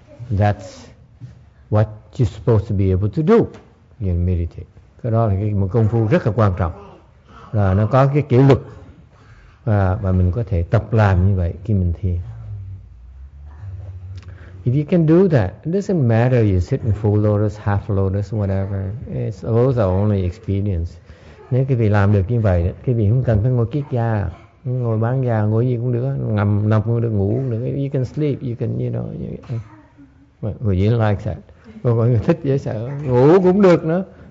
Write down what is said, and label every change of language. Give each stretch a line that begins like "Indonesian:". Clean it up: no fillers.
English: That's what you're supposed to be able to do in meditate.
Vietnamese: Cái đó là một công phu rất là quan trọng. Là nó có cái kỷ luật và mình có thể tập làm như vậy khi mình thiền.
English: If you can do that, it doesn't matter you sit in full lotus, half lotus, whatever. It's those are only experience.
Vietnamese: Nếu quý vị làm được như vậy, quý vị không cần phải ngồi kiết già, ngồi bán già, ngồi gì cũng được, ngầm nằm cũng được, ngủ cũng được.
English: You can sleep, you can, you know, you can. Well, you like that.
Vietnamese: Well, mọi người thích dễ sợ, ngủ cũng được nữa.